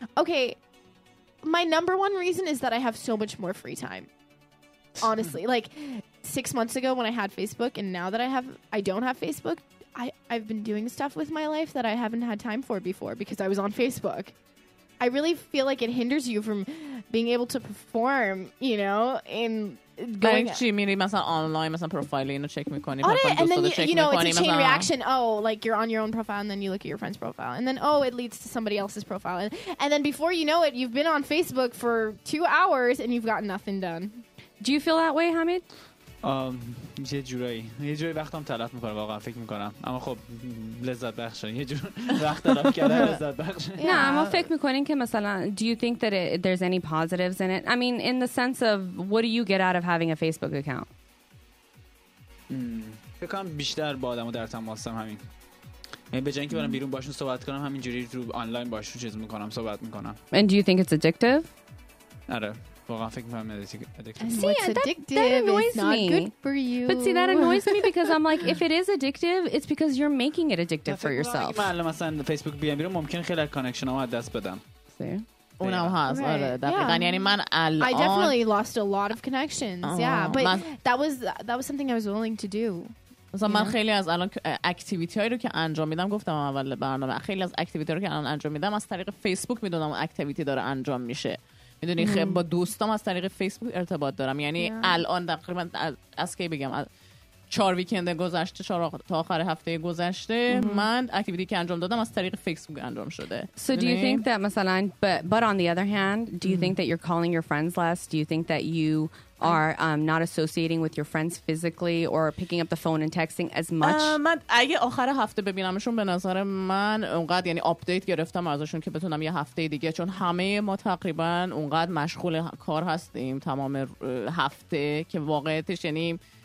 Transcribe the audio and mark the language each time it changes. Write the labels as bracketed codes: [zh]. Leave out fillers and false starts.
[en] Okay. My number one reason is that I have so much more free time. Honestly. Like, 6 months ago when I had Facebook and now that I don't have Facebook... I've been doing stuff with my life that I haven't had time for before because I was on Facebook. I really feel like it hinders you from being able to perform, you know, in [fa] going to mean مثلا آنلاین مثلا پروفایل اینو چک میکنی [en] آره and then you know it's a chain reaction oh like you're on your own profile and then you look at your friend's profile and then oh it leads to somebody else's profile and then before you know it you've been on Facebook for 2 hours and you've got nothing done. Do you feel that way, Hamid? [fa] یه جورایی وقتم تلف میکنم واقعا فکر میکنم اما خب لذت بخشه یه جور وقت تلف کردن لذت بخشه [en] نه اما فکر میکنین که مثلا do you think that there's any positives in it? I mean in the sense of what do you get out of having a Facebook account? [fa] فکر کنم بیشتر با آدمو در تماسم همین یعنی به جای اینکه برم بیرون باشون صحبت کنم همین جوری رو آنلاین باشون چیز میکنم صحبت میکنم [en] and do you think it's addictive? [fa] آره [en] see, that annoys me. Not good for you. But see, that annoys me because I'm like, if it is addictive, it's because you're making it addictive for yourself. I think that if I'm on Facebook, I can get a lot of connection. [fa] اونم هست right. آره دقیقا یعنی yeah. من الان [en] I definitely lost a lot of connections. Oh. Yeah, but that was something I was willing to do. [fa] مثلا من خیلی از الان اکتیویتی هایی رو که انجام میدم گفتم اول برنامه خیلی از اکتیویتی رو که الان انجام میدم از طریق فیسبوک میدونم اکتیویتی داره انجام میشه میدونی خب با دوستام از طریق فیسبوک ارتباط دارم یعنی yeah. الان تقریبا از کی بگم از 4 ویکند گذشته 4 تا آخر هفته گذشته من اکتیویتی که انجام دادم از طریق فیسبوک انجام شده [en] so do you think that مثلا but on the other hand do you think that you're calling your friends less do you think that you are not associating with your friends physically or picking up the phone and texting as much [fa] من اگه آخر هفته ببینمشون به نظر من اونقدر یعنی آپدیت گرفتم ازشون که بتونم یه هفته دیگه چون همه ما تقریبا اونقدر مشغول کار هستیم تمام هفته که واقعیتش یعنی